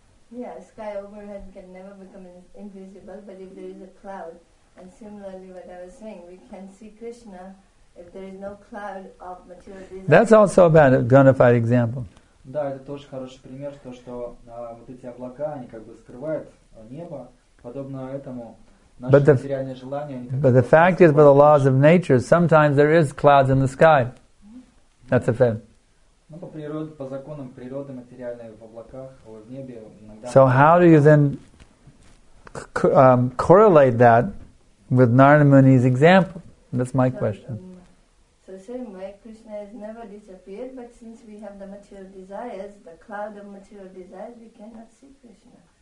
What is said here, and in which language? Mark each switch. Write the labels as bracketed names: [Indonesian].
[English] Yeah, sky overhead can never become invisible, but if there is a cloud, and similarly what I was saying, we can see Krishna if there is no cloud of material desire. That's also a bad, gunified example. [Russian] Да, это тоже хороший пример, то, что вот эти облака, они как бы скрывают небо, подобно этому наше материальное желание. [English] But the fact is, by the laws of nature, sometimes there is clouds in the sky. That's a fact. [Russian] Ну, по природе, по законам природы материальной в облаках, в небе иногда... [English] So how do you then correlate that with Narada Muni's example? That's my question. The same way, Krishna has never disappeared, but since we have the material desires, the cloud of material desires, we cannot see Krishna.